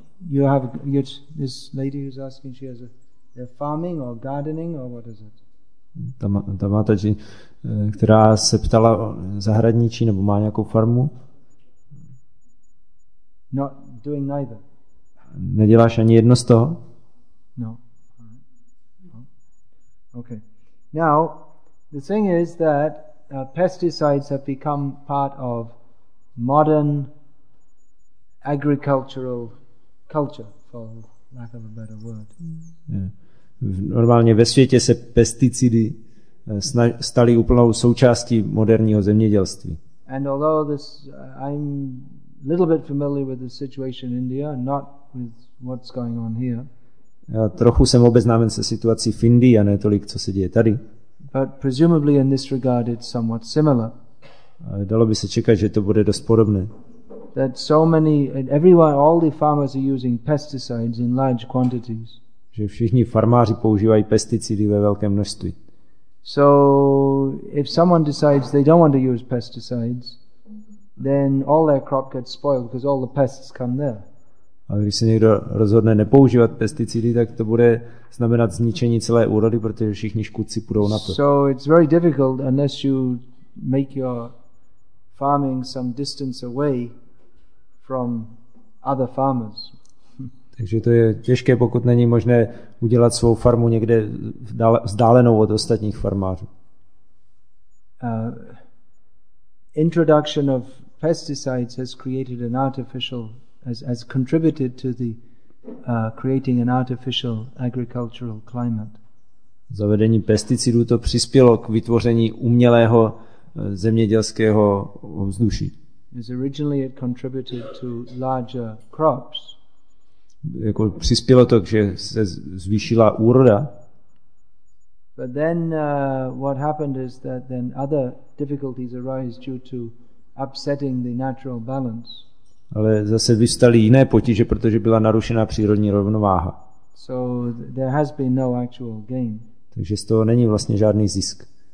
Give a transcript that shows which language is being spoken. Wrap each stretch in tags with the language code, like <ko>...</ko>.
<en>You have this lady who's asking, she has a farming or gardening or what is it?</en> <cs>Ta Mataji, která se ptala o zahradničí nebo má nějakou farmu?</cs> <en>Not doing neither.</en> <cs>Neděláš ani jedno z toho?</cs> <en>No. Okay. Now, the thing is that pesticides have become part of modern agricultural culture, for lack of a better word.</en> <cs>Normálně ve světě se pesticidy staly úplnou součástí moderního zemědělství.</cs> <en>And although this, I'm a little bit familiar with the situation in India, not with what's going on here.</en> <cs>Já trochu jsem obeznámen se situací v Indii, a ne tolik, co se děje tady.</cs> <en>But presumably in this regard it's somewhat similar.</en> <cs>Dalo by se čekat, že to bude dost podobné.</cs> <en>That so many, everyone, all the farmers are using pesticides in large quantities.</en> <cs>Že všichni farmáři používají pesticidy ve velkém množství.</cs> <en>So if someone decides they don't want to use pesticides, then all their crop gets spoiled because all the pests come there.</en> <cs>A když se někdo rozhodne nepoužívat pesticidy, tak to bude znamenat zničení celé úrody, protože všichni škůdci půjdou na to.</cs> <en>So it's very difficult unless you make your farming some distance away from other farmers.</en> <cs>Takže to je těžké, pokud není možné udělat svou farmu někde vzdálenou od ostatních farmářů.</cs> <en>Introduction of pesticides has created an artificial has contributed to the creating an artificial agricultural climate.</en> <cs>Zavedení pesticidů to přispělo k vytvoření umělého zemědělského ovzduší.</cs> <en>As originally it contributed to larger crops.</en> <cs>Jako přispělo to, že se zvýšila úroda.</cs> <en>But then what happened is that then other difficulties arise due to upsetting the natural balance.</en> <cs>Ale zase vystaly jiné potíže, protože byla narušena přírodní rovnováha.</cs> <en>So there has been no actual gain.</en> <cs>Takže z toho není vlastně žádný zisk.</cs>